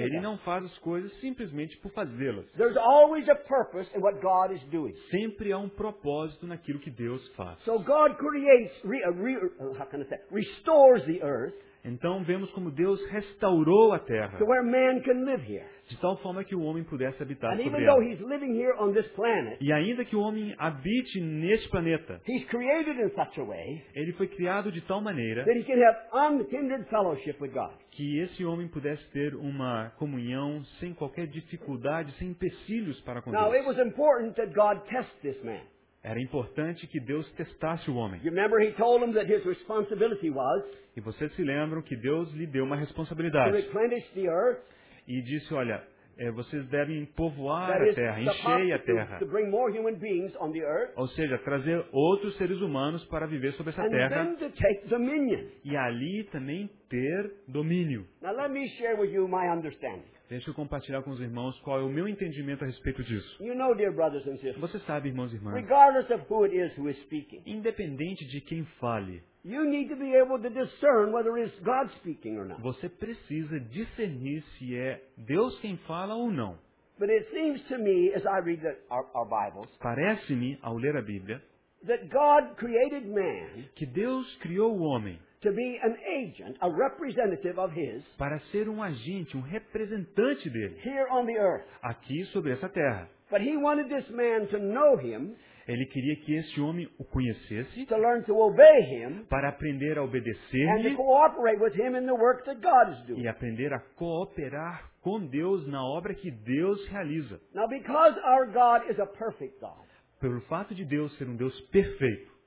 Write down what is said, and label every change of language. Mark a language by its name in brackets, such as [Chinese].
[Portuguese] Ele não faz as coisas simplesmente por fazê-las. [English] There's always a purpose in what God is doing. [Portuguese] Sempre há um propósito naquilo que Deus faz. [English] So God creates, how can I say, restores the earth. [Portuguese] Então vemos como Deus restaurou a terra. [English] To where man can live here. [Portuguese] De tal forma que o homem pudesse habitar [English] and [Portuguese] sobre [English] even [Portuguese] ela. [English] He's living here on this planet, [Portuguese] e ainda que o homem habite neste planeta, [English] he's created in such a way, [Portuguese] ele foi criado de tal maneira [English] that he can have unhindered fellowship with God. [Portuguese] Que esse homem pudesse ter uma comunhão sem qualquer dificuldade, sem empecilhos para com [English] now, [Portuguese] Deus. [English] It was important that God test this man. [Portuguese] Era importante que Deus testasse o homem. [English] You remember he told him that his responsibility was, [Portuguese] e vocês se lembram que Deus lhe deu uma responsabilidade. [English] To replenish the earth, [Portuguese] e disse, olha, vocês devem povoar a terra, encher a terra. [English] To bring more human beings on the earth, [Portuguese] ou seja, trazer outros seres humanos para viver sobre essa terra. [English] And then to take dominion. [Portuguese] E ali também ter domínio. [English] Now let me share with you my understanding. [Portuguese] Deixa eu compartilhar com os irmãos qual é o meu entendimento a respeito disso. [English] You know, dear brothers and sisters, [Portuguese] você sabe, irmãos e irmãs, [English] regardless of who it is who is speaking, [Portuguese] independente de quem fale, [English] you need to be able to discern whether it's God speaking or not. [Portuguese] Você precisa discernir se é Deus quem fala ou não. [English] But it seems to me, as I read our Bibles, [Portuguese] parece-me ao ler a Bíblia, [English] that God created man, [Portuguese] que Deus criou o homem, [English] to be an agent, a representative of his, [Portuguese] para ser um agente, um representante dele, [English] here on the earth, [Portuguese] aqui sobre essa terra. [English] But he wanted this man to know him. [Portuguese] Ele queria que esse homem o conhecesse, [English] to learn to obey him, [Portuguese] para aprender a obedecer-lhe, [English] and to cooperate with him in the work that God is doing. [Portuguese] E aprender a cooperar com Deus na obra que Deus realiza. [English] Now, because our God is a perfect God, [Portuguese] pelo fato de Deus ser um Deus perfeito,